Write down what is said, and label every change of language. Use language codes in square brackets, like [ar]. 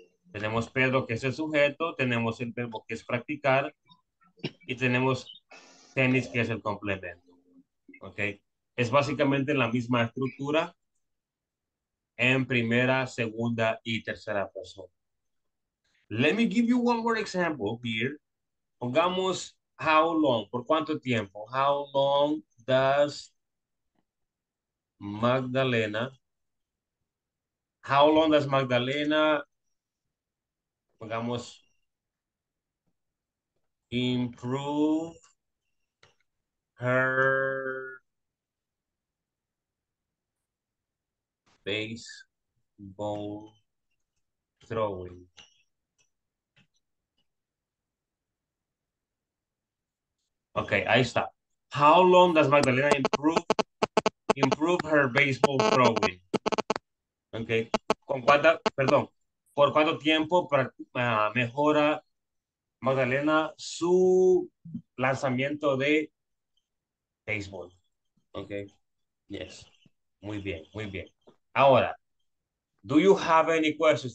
[es] Tenemos Pedro, que es el sujeto. Tenemos el verbo, que es practicar. Y tenemos tenis, que es el complemento. Ok, es básicamente la misma estructura en primera, segunda y tercera persona. [en] Let me give you one more example here. [es] Pongamos [en] how long, [es] por cuánto tiempo. [en] How long does Magdalena, how long does Magdalena, [es] pongamos, [en] improve her baseball throwing? [es] Ok, ahí está. [en] How long does Magdalena improve her baseball throwing? [es] Ok, ¿con cuánta, perdón, por cuánto tiempo mejora Magdalena su lanzamiento de baseball? [en] Ok, yes. [es] Muy bien. Ahora, [en] do you have any questions?